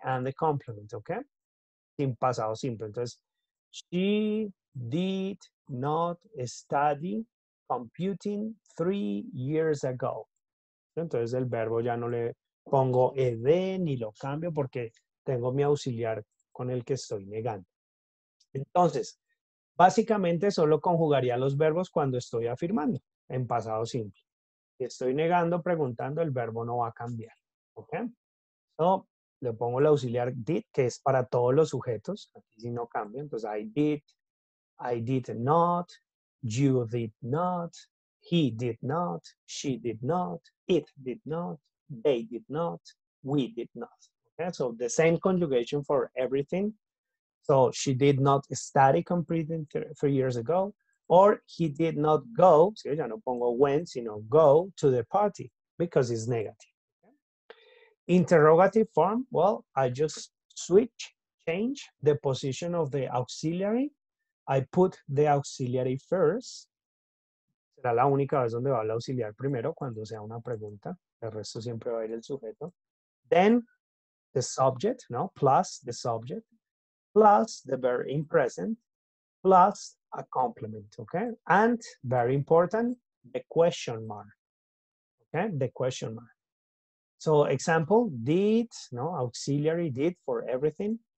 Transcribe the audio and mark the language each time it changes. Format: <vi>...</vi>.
<en>And the complement, okay? In pasado simple. Entonces, she did not study computing 3 years ago.</en> <es>Entonces, el verbo ya no le pongo ed ni lo cambio porque tengo mi auxiliar con el que estoy negando. Entonces, básicamente solo conjugaría los verbos cuando estoy afirmando, en pasado simple. Si estoy negando, preguntando, el verbo no va a cambiar. ¿Ok? So, le pongo el auxiliar did, que es para todos los sujetos. Aquí sí no cambia.</es> <en>Entonces, I did not, you did not, he did not, she did not, it did not, they did not, we did not. Okay? So, the same conjugation for everything. So, she did not study computing 3 years ago, or he did not go, ¿sí?</en> <es>Ya no pongo</es> <en>went, sino go to the party, because it's negative. Okay? Interrogative form, well, I just change the position of the auxiliary. I put the auxiliary first.</en> <es>Será la única vez donde va el auxiliar primero, cuando sea una pregunta. El resto siempre va a ir el sujeto.</es> <en>Then, the subject, ¿no? Plus the subject. Plus the verb in present, plus a complement, okay? And very important, the question mark, okay? The question mark. So example, did, no, auxiliary did for everything.</en>